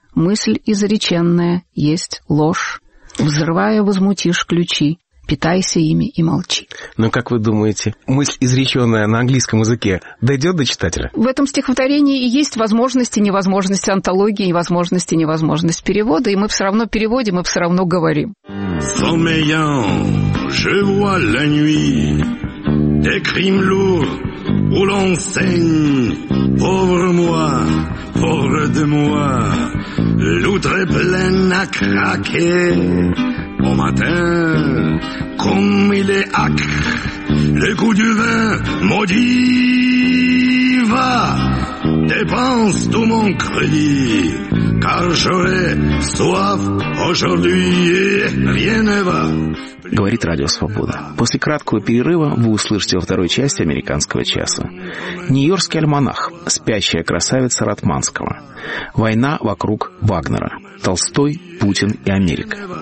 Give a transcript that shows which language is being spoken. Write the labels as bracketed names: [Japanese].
[Russian] Мысль изреченная есть ложь. Взрывая, возмутишь ключи. Питайся ими и молчи». Ну, как вы думаете, мысль, изреченная на английском языке, дойдет до читателя? В этом стихотворении и есть возможности, невозможности антологии, и возможности, невозможность перевода, и мы все равно переводим, и все равно говорим. [French] Sommeillant, je vois la nuit, des crimes lourds, où l'on saigne, pauvre moi, pauvre de moi, l'outre est pleine à craquer. Au matin, comme il est âcre, le goût du vin maudit va. Dépense tout mon crédit, car j'aurai soif aujourd'hui et rien ne va. [Russian] Говорит Радио Свобода. После краткого перерыва вы услышите во второй части «Американского часа». Нью-Йоркский альманах. Спящая красавица Ратманского. Война вокруг Вагнера. Толстой, Путин и Америка.